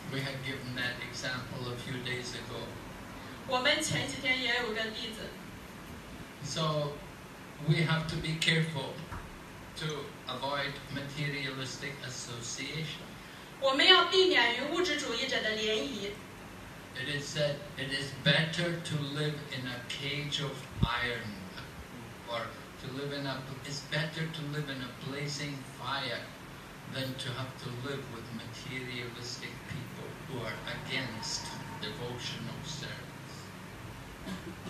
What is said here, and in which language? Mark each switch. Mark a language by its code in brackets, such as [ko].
[en] We had given that example a few days ago. [zh] 我们前几天也有个例子。 [en] So we have to be careful to avoid materialistic association. [zh] 我们要避免与物质主义者的联谊。 [en] It is said, it is better to live in a cage of iron, or to live in a, it's better to live in a blazing fire than to have to live with materialistic people who are against devotional service.